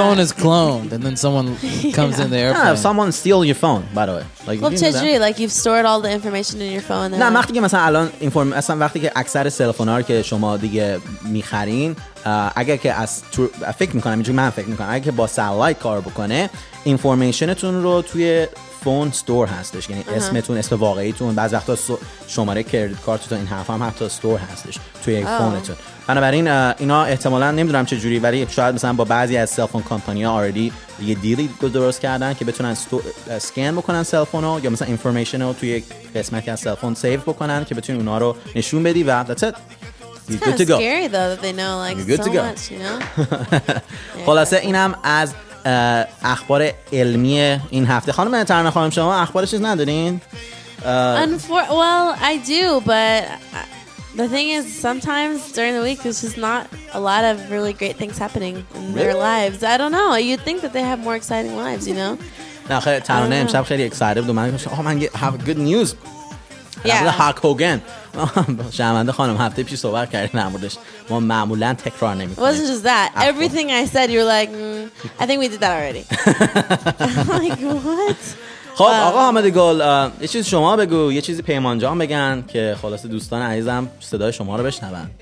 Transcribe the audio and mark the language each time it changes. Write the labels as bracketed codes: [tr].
[en] Phone is cloned and then someone comes in the airplane? Yeah, if someone steals your phone, by the way. Like well, you know like you've stored all the information in your phone [fa] نه وقتی که مثلا الان اینفورم اصلا وقتی که اکثر سلفونا رو که شما دیگه میخرین اگر که از فکر میکنم اینجوری من فکر میکنم اگر که با سلایت کار بکنه اینفورمیشنتون رو توی فون ستور هستش یعنی uh-huh. اسمتون اسم واقعیتون بعضی وقتا شماره کردیت کارتتون این حرف هم حتی ستور هستش توی یک فونتون بنابراین اینا احتمالاً نمیدونم چه جوری ولی شاید مثلا با بعضی از سل فون کمپانی ها آردی یه دیلی درست کردن که بتونن سکن بکنن سل فونو یا مثلا انفورمیشن رو توی یک قسمتی از سل فون سیف بکنن که بتونن اونا رو نشون بدی و [en] that's it. It's kind of scary though that they know like so much, you know? [fa] خلاصه اینم از اخبار علمی این هفته. خانم ترنه خانم شما اخبار چیز ندارین؟ [en] Well, I do, but the thing is sometimes during the week there's just not a lot of really great things happening in their lives. I don't know. You'd think that they have more exciting lives, you know? [fa] نه خیلی ترنه امشب خیلی excited بود. من گفتم [en] oh, man, have good news. Yeah. Hulk Hogan. [fa] شرمنده خانم هفته پیش صحبت کردیم در موردش ما معمولا تکرار نمی کنیم. [en] Wasn't just that. Everything I said you're like I think we did that already. Like what? [fa] خب آقا حامد گل یه چیز شما بگو یه چیزی پیمان جان بگن که خلاص دوستان عزیزم صدای شما رو بشنون.